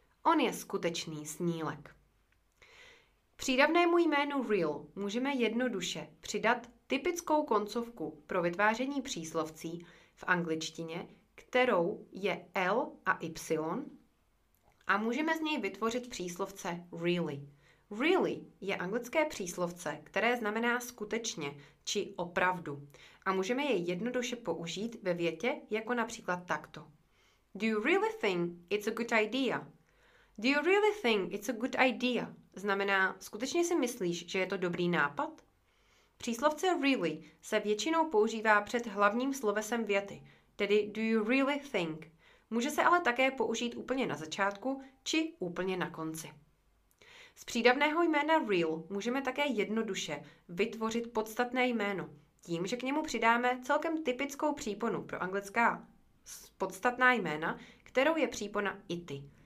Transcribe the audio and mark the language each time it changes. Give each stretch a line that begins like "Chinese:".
Czech: On je skutečný snílek. Přídavnému jménu real můžeme jednoduše přidat typickou koncovku pro vytváření příslovcí v angličtině, kterou je L a Y, a můžeme z něj vytvořit příslovce really. Really je anglické příslovce, které znamená skutečně či opravdu. A můžeme je jednoduše použít ve větě jako například takto.
English: Do you really think it's a good idea? Do you really think it's a good idea?
Czech: Znamená, skutečně si myslíš, že je to dobrý nápad? Příslovce really se většinou používá před hlavním slovesem věty, tedy do you really think? Může se ale také použít úplně na začátku či úplně na konci. Z přídavného jména real můžeme také jednoduše vytvořit podstatné jméno tím, že k němu přidáme celkem typickou příponu pro anglická podstatná jména, kterou je přípona ity.